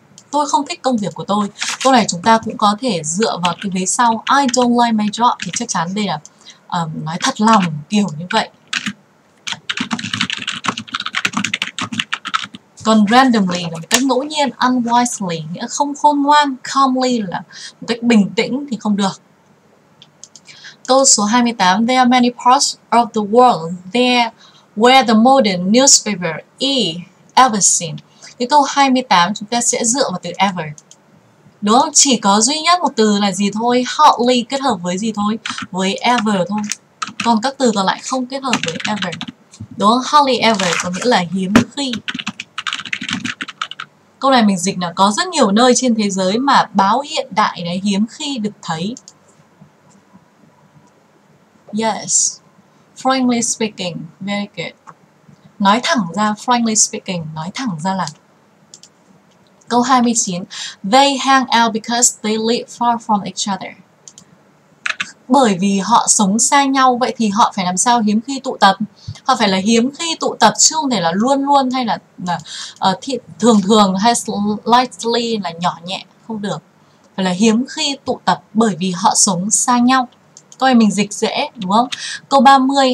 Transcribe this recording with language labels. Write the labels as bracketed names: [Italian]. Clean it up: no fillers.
[Vietnamese] Tôi không thích công việc của tôi. Câu này chúng ta cũng có thể dựa vào cái vế sau. [English] I don't like my job. [Vietnamese] Thì chắc chắn đây là nói thật lòng kiểu như vậy. Còn randomly là một cách ngẫu nhiên, unwisely nghĩa không khôn ngoan, calmly là một cách bình tĩnh thì không được. Câu số 28, [English] there are many parts of the world there where the modern newspaper is ever seen. [Vietnamese] Cái câu 28 chúng ta sẽ dựa vào từ ever. Đúng không? Chỉ có duy nhất một từ là gì thôi? Hardly kết hợp với gì thôi? Với ever thôi. Còn các từ còn lại không kết hợp với ever. Đúng không? Hardly ever có nghĩa là hiếm khi. Câu này mình dịch là có rất nhiều nơi trên thế giới mà báo hiện đại này hiếm khi được thấy. [English] Yes. Frankly speaking, very good. [Vietnamese] Nói thẳng ra, [English] frankly speaking, [Vietnamese] nói thẳng ra là câu 29. [English] They hang out because they live far from each other. [Vietnamese] Bởi vì họ sống xa nhau, vậy thì họ phải làm sao hiếm khi tụ tập? Họ phải là hiếm khi tụ tập chứ không thể là luôn luôn hay là thường thường hay slightly là nhỏ nhẹ. Không được. Phải là hiếm khi tụ tập bởi vì họ sống xa nhau. Câu này mình dịch dễ, đúng không? Câu 30.